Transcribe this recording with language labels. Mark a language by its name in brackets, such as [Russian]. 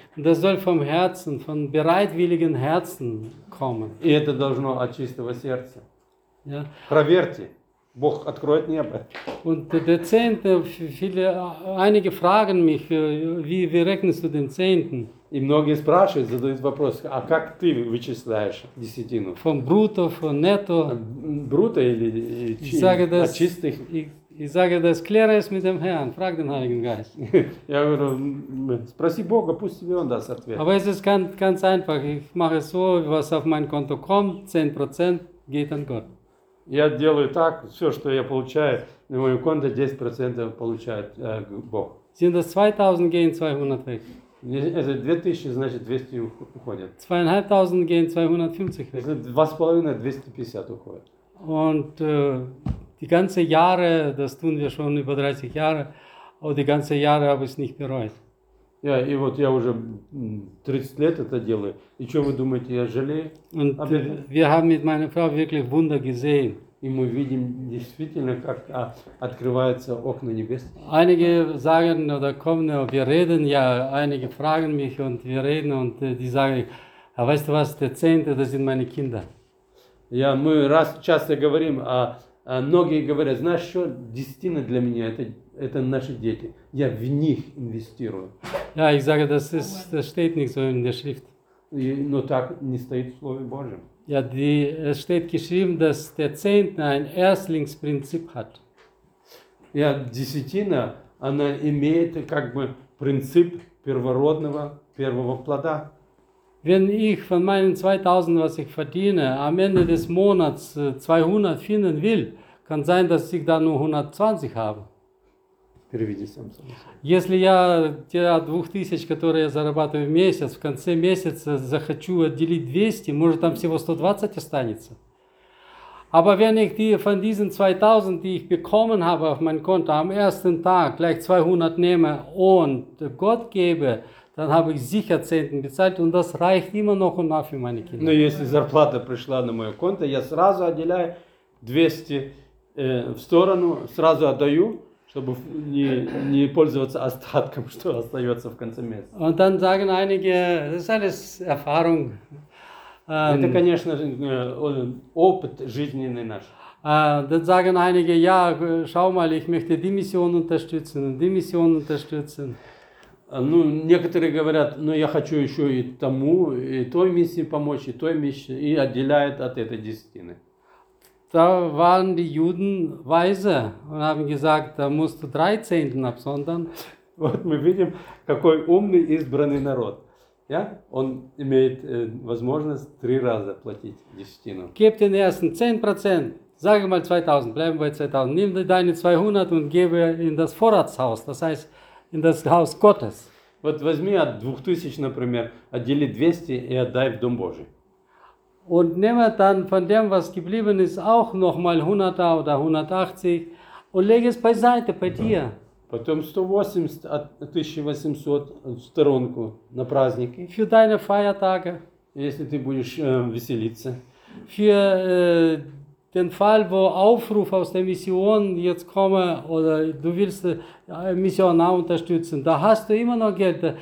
[German] Das soll vom Herzen, von bereitwilligen Herzen kommen. [Russian] И это должно от чистого сердца. Yeah. Проверьте, Бог откроет небо. [German] Und der Zehnte, einige fragen mich, wie rechnest du den Zehnten? [Russian] И многие спрашивают, задают вопрос, а как ты вычисляешь десятину? [German] Vom Brutto, von Netto. [Russian] Brutto или от чистых? [German] Ich sage das, kläre es mit dem Herrn, frag den Heiligen Geist. [Russian] Я говорю, спроси Бога, пусть тебе он даст ответ. [German] Aber es ist ganz einfach, ich mache so, was auf mein Konto kommt, 10% geht an Gott. [Russian] Я делаю так, все, что я получаю на моем конте, 10% получает Бог. [German] Sind das 2000, gehen 200 weg. [Russian] 2000, значит, 200 уходят. [German] 2500 gehen 250 weg. [Russian] 2,5-250 уходят. [German] Und die ganze Jahre, das tun wir schon über 30 Jahre, aber die ganze Jahre habe ich es nicht bereut. [Russian] Ja, и вот я уже 30 лет это делаю. И что вы думаете, я жалею? [German] Und wir haben mit meiner Frau wirklich Wunder gesehen. [Russian] И мы видим действительно, как открываются окна небес. [German] Einige sagen oder kommen, und wir reden, ja, einige fragen mich und wir reden und die sagen, а weißt du was, der Zehnte, das sind meine Kinder. [Russian] Я, мы раз часто говорим, а многие говорят, знаешь что, десятина для меня, это наши дети. Я в них инвестирую. [German] Ja, ich sage, das steht nicht so in der Schrift. [Russian] Но так не стоит в Слове Божьем. [German] Ja, es steht geschrieben, dass der Zehnte ein Erstlingsprinzip hat. [Russian] Ja, десятина, она имеет как бы принцип первородного, первого плода. [German] Wenn ich von meinen 2000, was ich verdiene, am Ende des Monats 200 finden will, kann sein, dass ich da nur 120 habe. [Russian] Если я те 2000, которые я зарабатываю в месяц, в конце месяца захочу отделить 200, может там всего 120 останется. [German] Aber wenn ich die von diesen 2000, die ich bekommen habe auf mein Konto, am ersten Tag gleich 200 nehme und Gott gebe, dann habe ich sicher Zehnten bezahlt und das reicht immer noch und noch für meine Kinder. [Russian] Но если зарплата пришла на мое конто, я сразу отделяю 200 в сторону, сразу отдаю, чтобы не пользоваться остатком, что остается в конце месяца. [German] Und dann sagen einige, das ist alles Erfahrung. [Russian] Это, конечно, опыт жизненный наш. [German] Dann sagen einige, ja, schau mal, ich möchte die Mission unterstützen, die Mission unterstützen. [Russian] Ну, некоторые говорят, ну, я хочу еще и тому, и той миссии помочь, и той миссии, и отделяют от этой десятины. [German] Da waren die Juden weise und haben gesagt, da musst du drei Zehnten absondern. [Russian] Вот мы видим, какой умный избранный народ. [German] Ja? [Russian] Он имеет возможность три раза платить десятину. [German] Gib den ersten 10%, sag mal 2000, bleiben bei 2000, nimm deine 200 und gebe in das Vorratshaus, das heißt in das Haus Gottes. [Russian] Вот возьми от 2000, например, отдели 200 и отдай в Дом Божий. [German] Und nehme dann von dem, was geblieben ist, auch nochmal 100 oder 180 und lege es beiseite bei dir. [Russian] Потом 180, 1800 в сторонку на праздники. [German] Für deine Feiertage. [Russian] Если ты будешь веселиться. [German] Für den Fall, wo Aufruf aus der Mission jetzt komme oder du willst Missionar unterstützen, da hast du immer noch Geld.